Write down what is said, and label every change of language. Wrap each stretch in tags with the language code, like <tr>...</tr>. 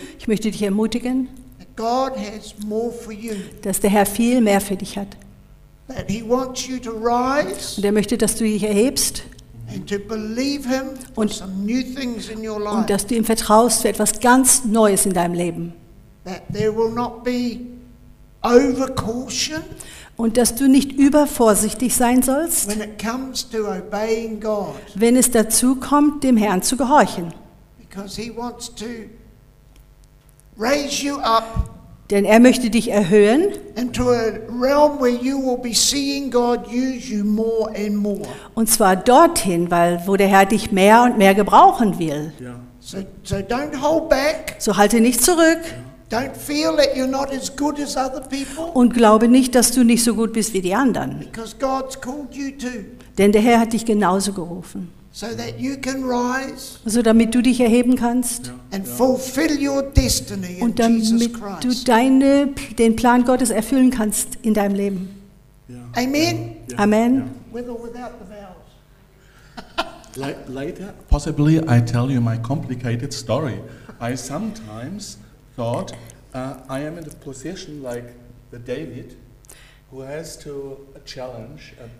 <de>Ich möchte dich ermutigen.</de> <en>God has more for you.</en> <de>Dass der Herr viel mehr für dich hat.</de> <en>That he wants you to rise.</en> <de>Und er möchte, dass du dich erhebst.</de> <en>And to believe him for some new things in your life.</en> <de>Und dass du ihm vertraust für etwas ganz Neues in deinem Leben.</de> <en>That there will not be overcaution.</en> <de>Und dass du nicht übervorsichtig sein sollst.</de> <en>When it comes to obeying God.</en> <de>Wenn es dazu kommt, dem Herrn zu gehorchen.</de> <en>Because he wants to raise you up.</en> <de>Denn er möchte dich erhöhen.</de> <en>Into a realm where you will be seeing God use you more and more.</en> <de>Und zwar dorthin, weil wo der Herr dich mehr und mehr gebrauchen will.</de> <en>Yeah. So don't hold back.</en> <de>So halte nicht zurück.</de> <en>Yeah. Don't feel that you're not as good as other people.</en> <de>Und glaube nicht, dass du nicht so gut bist wie die anderen.</de> <en>Because God's called you too.</en> <de>Denn der Herr hat dich genauso gerufen.</de> <en>So that you can rise.</en> <de>So damit du dich erheben kannst.</de> <en>Yeah. And fulfill your destiny in Jesus.</en> <de>Und damit du den Plan Gottes erfüllen kannst in deinem Leben. Yeah. Amen. Yeah. Amen. Yeah.</de> <en>With or without the vows. Later, possibly I tell you my complicated story. I sometimes thought I am in a position like the David, who has to challenge.</en>